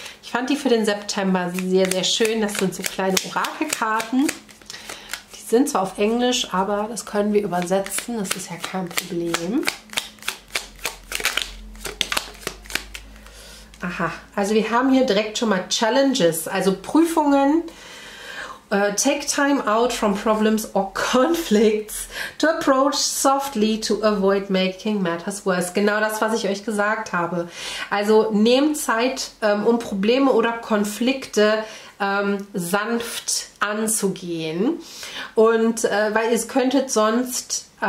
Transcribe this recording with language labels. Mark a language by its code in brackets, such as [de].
[de] Ich fand die für den September sehr, sehr schön. Das sind so kleine Orakelkarten. Die sind zwar auf Englisch, aber das können wir übersetzen. Das ist ja kein Problem. Aha, also wir haben hier direkt schon mal Challenges, also Prüfungen. [en] Take time out from problems or conflicts to approach softly to avoid making matters worse. [de] Genau das, was ich euch gesagt habe. Also nehmt Zeit, um Probleme oder Konflikte sanft anzugehen. Und weil ihr könntet sonst...